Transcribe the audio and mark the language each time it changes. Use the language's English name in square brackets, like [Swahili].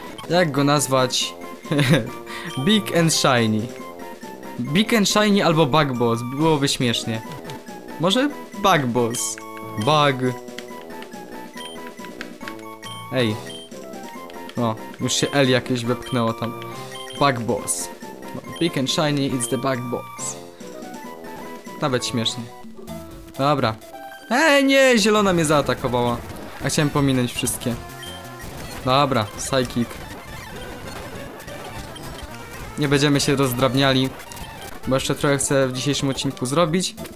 [Polish] Jak go nazwać? Big and Shiny. Big and Shiny albo Bug Boss, byłoby śmiesznie. Może Bug Boss? Bug. Ej. O, już się L jakieś wepchnęło tam. Bug Boss. [English] Big and shiny, it's the bug boss. [Polish] Nawet śmiesznie. Dobra. Nie, zielona mnie zaatakowała. A chciałem pominąć wszystkie. Dobra, psychic. Nie będziemy się rozdrabniali, bo jeszcze trochę chcę w dzisiejszym odcinku zrobić.